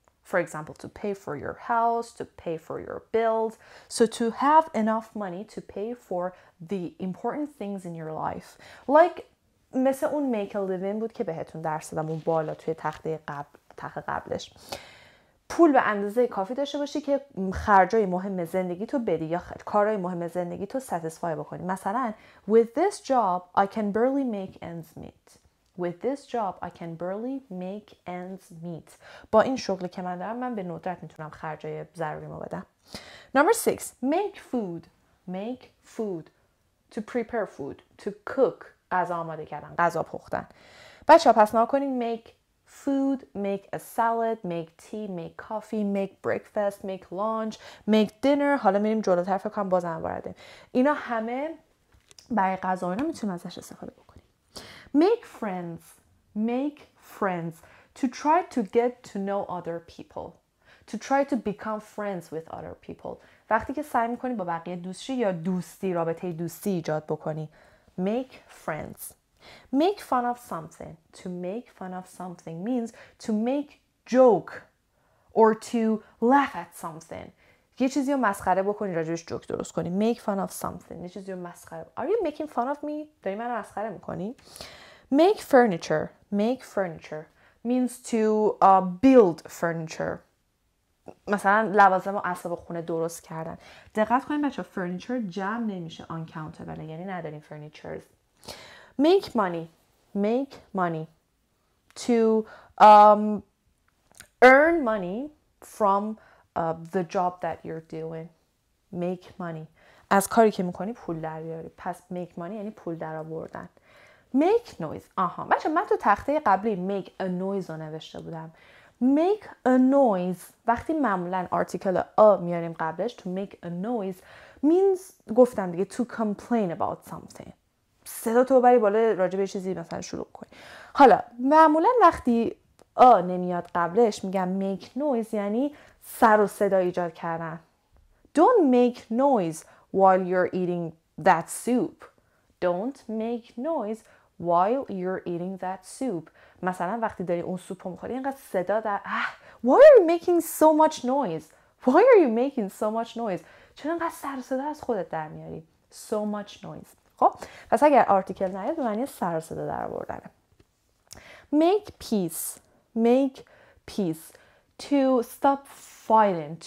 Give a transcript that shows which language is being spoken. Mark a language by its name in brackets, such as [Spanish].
[English] For example, to pay for your house, to pay for your bills. So to have enough money to pay for the important things in your life. [Persian] Like مثل اون make a living بود که بهتون درس دادم اون بالا توی تخته قبلش. پول به اندازه کافی داشته باشی که خرجای مهم زندگی تو بدی یا کارهای مهم زندگی تو ساتیسفای بکنی. مثلا [English] with this job I can barely make ends meet. With this job, I can barely make ends meet. [Persian] با این شغلی که من دارم، من به ندرت میتونم خرجای ضروری مو بدم. [English] Number 6. Make food. Make food. To prepare food. To cook. [Persian] غذا آماده کردن. غذا پختن. بچه ها پس نها کنین. [English] Make food. Make a salad. Make tea. Make coffee. Make breakfast. Make lunch. Make dinner. [Persian] حالا میریم جلو طرف کنم بازم بارده. اینا همه برای غذا اینا میتونم ازش استفاده بکنم. [English] Make friends. Make friends. To try to get to know other people. To try to become friends with other people. [Persian] وقتی که سعی میکنی با بقیه دوستی یا دوستی رابطه دوستی ایجاد بکنی. [English] Make friends. Make fun of something. To make fun of something means to make joke or to laugh at something. [Persian] یه چیزی رو مسخره بکنی راجبش جوک درست کنی. [English] Make fun of something. [Persian] یه چیزی رو مسخره. [English] Are you making fun of me? [Persian] داری من رو مسخره میکنی؟ [English] Make furniture. Make furniture means to build furniture. [Persian] مثلا لوازم و اسباب خونه درست کردن. دقت کنید بچه ها furniture جمع نمیشه uncountable. یعنی نداریم [English] furnitures. Make money. Make money. To earn money from the job that you're doing. Make money. [Persian] از کاری که میکنی پول در بیاری. پس make money یعنی پول در آوردن. [English] Make noise. آها. [Persian] بچه من تو تخته قبلی make a noise رو نوشته بودم. [English] Make a noise. [Persian] وقتی معمولا آرتیکل a میاریم قبلش [English] to make a noise means [Persian] گفتم دیگه [English] to complain about something. [Persian] صدا تو بری بالا راجع به چیزی مثلا شروع کنی. حالا معمولا وقتی a نمیاد قبلش میگم make noise یعنی سر و صدا ایجاد کردن. [English] Don't make noise while you're eating that soup. Don't make noise while you're eating that soup. [Persian] مثلا وقتی داری اون سوپ رو میخوری اینقدر صدا در [English] Why are you making so much noise? Why are you making so much noise? [Persian] چون اینقدر سر و صدا از خودت در میاری. [English] So much noise. [Persian] خب پس اگر آرتیکل نیاد به معنی سر و صدا در آوردن. [English] Make peace. Make peace. To stop fighting.